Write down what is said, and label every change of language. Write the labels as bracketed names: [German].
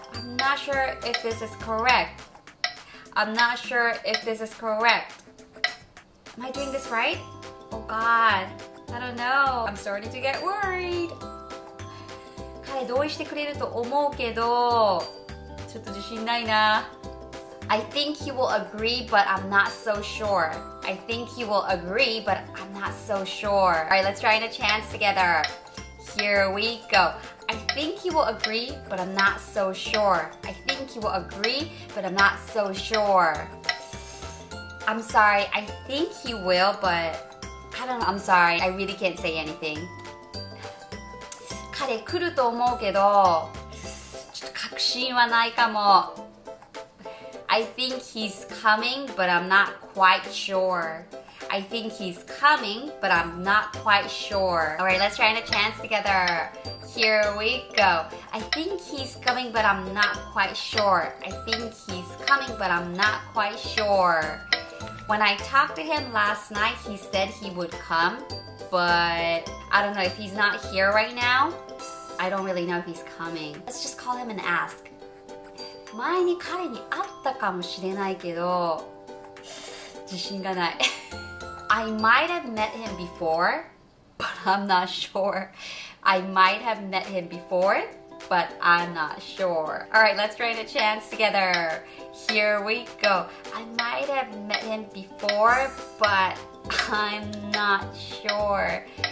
[English] I'm not sure if this is correct. I'm not sure if this is correct. Am I doing this right? Oh God, I don't know. I'm starting to get worried. [Japanese] 彼同意してくれると思うけど、ちょっと自信ないな。 [English] I think he will agree, but I'm not so sure. I think he will agree, but I'm not so sure. Alright, let's try in a chance together. Here we go. I think he will agree, but I'm not so sure. I think he will agree, but I'm not so sure. I'm sorry, I think he will, but I don't know, I'm sorry. I really can't say anything. [Japanese] 彼来ると思うけど、ちょっと確信はないかも。 [English] I think he's coming, but I'm not quite sure. I think he's coming, but I'm not quite sure. Alright, let's try in a chance together. Here we go. I think he's coming, but I'm not quite sure. I think he's coming, but I'm not quite sure. When I talked to him last night, he said he would come, but I don't know if he's not here right now. I don't really know if he's coming. Let's just call him and ask. [Japanese] 前に彼に会ったかもしれないけど、自信がない。 [English] I might have met him before, but I'm not sure. I might have met him before, but I'm not sure. Alright, let's try a chance together. Here we go. I might have met him before, but I'm not sure.